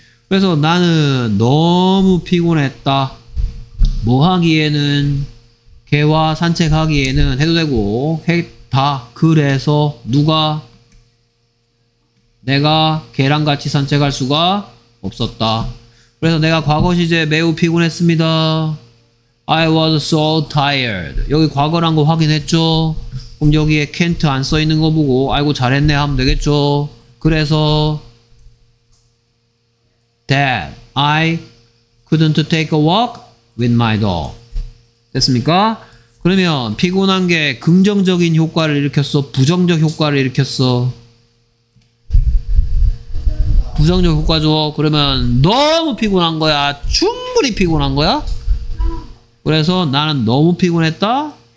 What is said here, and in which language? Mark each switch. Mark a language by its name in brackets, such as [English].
[Korean] 그래서 나는 너무 피곤했다. 뭐 하기에는 개와 산책하기에는 해도 되고 다 그래서 누가 내가 개랑 같이 산책할 수가 없었다. 그래서 내가 과거 시제에 매우 피곤했습니다. [English] I was so tired. [Korean] 여기 과거란 거 확인했죠? 그럼 여기에 can't 안 써 있는 거 보고 아이고 잘했네 하면 되겠죠? 그래서 [English] that I couldn't take a walk with my dog. [Korean] 됐습니까? 그러면 피곤한 게 긍정적인 효과를 일으켰어? 부정적 효과를 일으켰어? 부정적 효과죠. 그러면 너무 피곤한 거야? 충분히 피곤한 거야? 그래서 나는 너무 피곤했다?